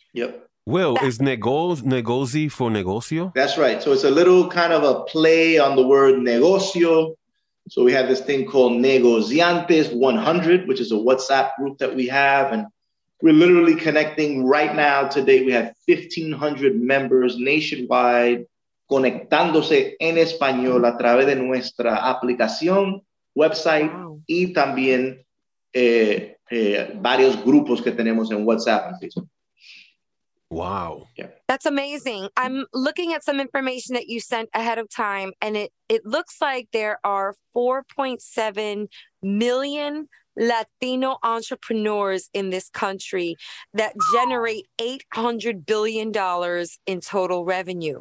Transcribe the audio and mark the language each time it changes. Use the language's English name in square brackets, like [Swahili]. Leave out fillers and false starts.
[English] Yep. Will, is Negozi for negocio? That's right. So it's a little kind of a play on the word negocio. So we have this thing called Negociantes 100, which is a WhatsApp group that we have. And we're literally connecting right now today. We have 1,500 members nationwide [Spanish] conectándose en español a través de nuestra aplicación, website, wow. Y también varios grupos que tenemos en WhatsApp and Facebook. [English] Wow. Yeah. That's amazing. I'm looking at some information that you sent ahead of time, and it looks like there are 4.7 million Latino entrepreneurs in this country that generate $800 billion in total revenue.